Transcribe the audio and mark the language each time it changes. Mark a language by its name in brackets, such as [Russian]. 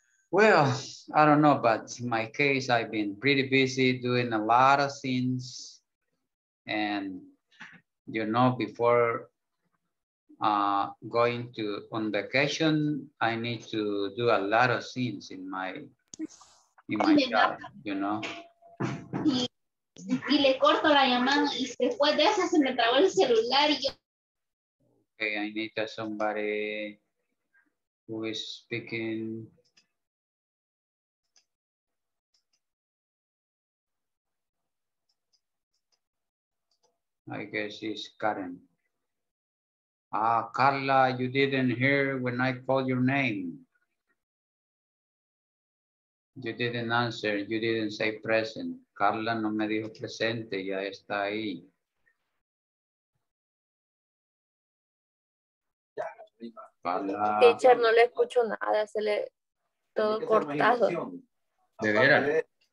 [English] Well, I don't know, but in my case, I've been pretty busy doing a lot of things. And, you know, before going to on vacation, I need to do a lot of things in my job, you know. [Spanish] Y le corto la llamada y después de eso se me trabó el celular y yo. [English] Okay, I need somebody who is speaking. I guess it's Karen. Carla, you didn't hear when I called your name. You didn't answer, you didn't say present. [Spanish] Carla no me dijo presente, ya está ahí. Carla. Teacher, no le escucho nada, se le todo cortado. De veras.